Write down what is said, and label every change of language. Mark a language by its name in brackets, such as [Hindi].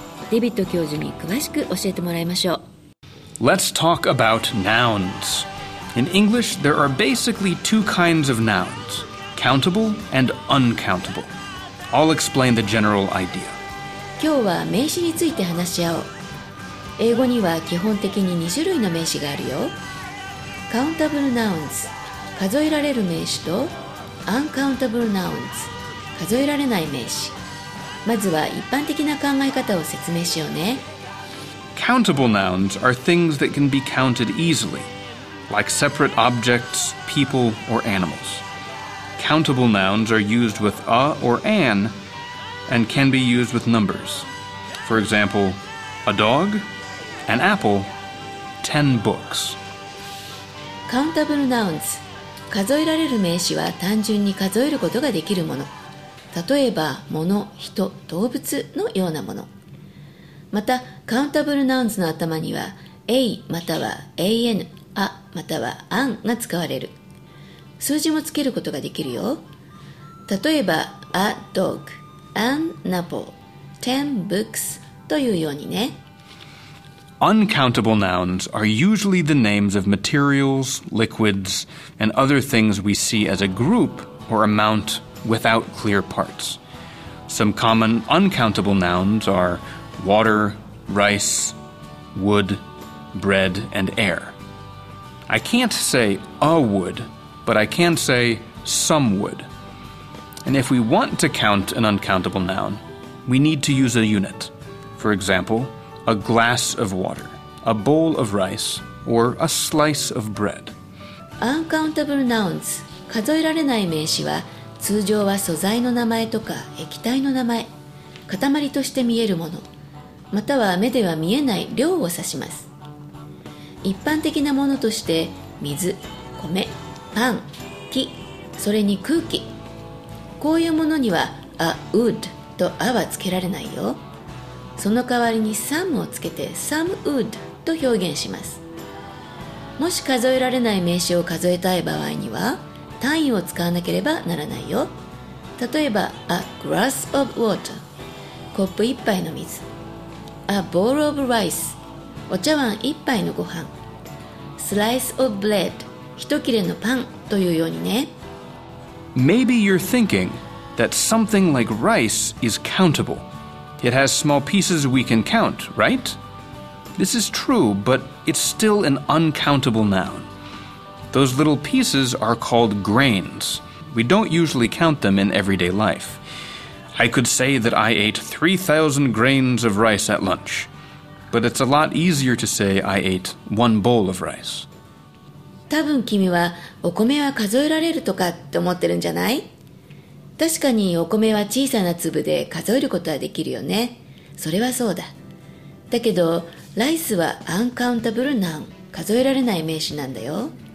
[Japanese] デビッド教授に詳しく教えてもらいましょう。 [English] Let's talk about nouns. In English, there are basically two kinds of nouns, countable and uncountable. I'll explain the general idea. [Japanese] 今日は名詞について話し合おう。英語には基本的に2種類の名詞があるよ。 [English] Countable nouns [Japanese] 数えられる名詞と [English] Uncountable nouns [Japanese] 数えられない名詞。まずは一般的な考え方を説明しようね。 [English] Countable nouns are things that can be counted easily, like separate objects, people, or animals. Countable nouns are used with a or an, and can be used with numbers. For example, a dog, an apple, 10 books. Countable nouns [Japanese] 数えられる名詞は単純に数えることができるもの。例えば物、人、動物のようなもの。またカウンタブルナウンズの頭には A または AN、 A または AN が使われる。数字もつけることができるよ。例えば [English] A dog, an apple, 10 books [Japanese] というようにね。 [English] Uncountable nouns are usually the names of materials, liquids, and other things we see as a group or amountwithout clear parts. Some common uncountable nouns are water, rice, wood, bread, and air. I can't say a wood, but I can say some wood. And if we want to count an uncountable noun, we need to use a unit. For example, a glass of water, a bowl of rice, or a slice of bread. Uncountable nouns, [Japanese] 数えられない名詞は通常は素材の名前とか液体の名前、塊として見えるもの、または目では見えない量を指します。一般的なものとして水、米、パン、木、それに空気。こういうものには [English] a wood [Japanese] と a はつけられないよ。その代わりに some をつけて [English] some wood [Japanese] と表現します。もし数えられない名詞を数えたい場合には、単位を使わなければならないよ。例えば [English] A glass of water、 [Japanese] コップ一杯の水、 [English] A bowl of rice、 [Japanese] お茶碗一杯のご飯、 [English] Slice of bread、 [Japanese] 一切れのパンというようにね。 [English] Maybe you're thinking that something like rice is countable. It has small pieces we can count, right? This is true, but it's still an uncountable noun. Those little pieces are called grains. We don't usually count them in everyday life. I could say that I ate 3,000 grains of rice at lunch, but it's a lot easier to say I ate one bowl of rice. [Japanese] 多分君はお米は数えられるとかって思ってるんじゃない? 確かにお米は小さな粒で数えることはできるよね。それはそうだ。だけど、ライスはアンカウンタブルナウン、数えられない名詞なんだよ。